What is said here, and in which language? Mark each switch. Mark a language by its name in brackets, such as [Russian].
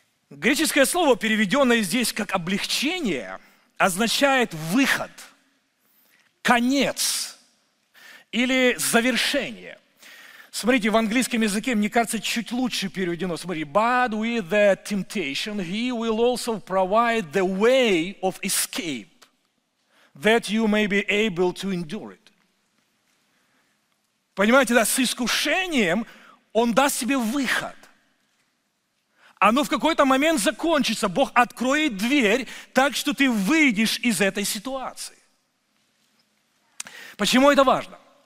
[Russian] Греческое слово, переведенное здесь как облегчение, означает выход, конец или завершение. Смотрите, в английском языке, мне кажется, чуть лучше переведено. Смотрите, [English] but with the temptation, he will also provide the way of escape, that you may be able to endure it. [Russian] Понимаете, да, с искушением он даст себе выход. Оно в какой-то момент закончится. Бог откроет дверь так, что ты выйдешь из этой ситуации. Почему это важно?